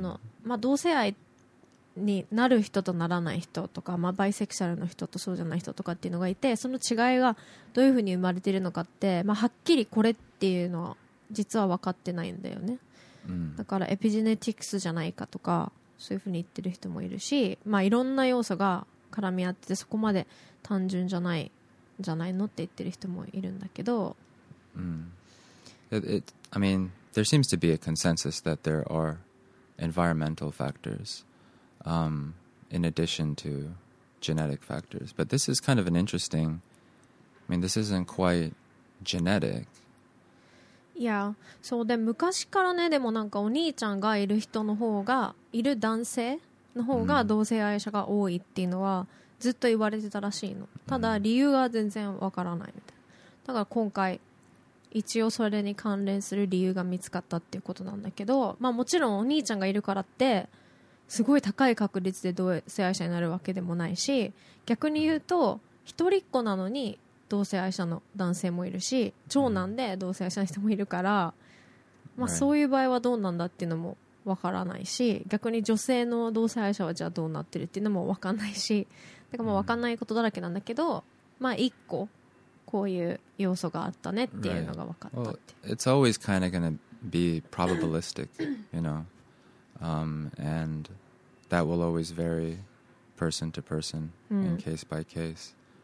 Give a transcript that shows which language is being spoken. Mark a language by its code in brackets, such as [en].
[ja] その、まあ、同性愛になる人とならない人とか、まあ、バイセクシャルの人とそうじゃない人とかっていうのがいて、その違いがどういうふうに生まれてるのかって、まあ、はっきりこれっていうのは実は分かってないんだよね。だからエピジネティクスじゃないかとかそういうふうに言ってる人もいるし、まあ、いろんな要素が絡み合っててそこまで単純じゃないじゃないのって言ってる人もいるんだけど、 [en] I mean, there seems to be a consensus that there are environmental factors, in addition to genetic factors. But this is kind of an interesting, I mean, this isn't quite genetic. [ja] Yeah, そうで、昔からね、でもなんかお兄ちゃんがいる人の方が、いる男性の方が同性愛者が多いっていうのはずっと言われてたらしいの。ただ理由が全然わからないみたいな。だから今回一応それに関連する理由が見つかったっていうことなんだけど、まあもちろんお兄ちゃんがいるからってすごい高い確率で同性愛者になるわけでもないし、逆に言うと一人っ子なのに同性愛者の男性もいるし、長男で同性愛者の人もいるから、まあそういう場合はどうなんだっていうのもわからないし、逆に女性の同性愛者はじゃあどうなってるっていうのもわかんないし、だからもうわかんないことだらけなんだけど、まあ一個こういう要素があったねっていうのが分かったって。 [en] Well, it's always kind of going to be probabilistic, you know, and that will always vary person to person and case by case.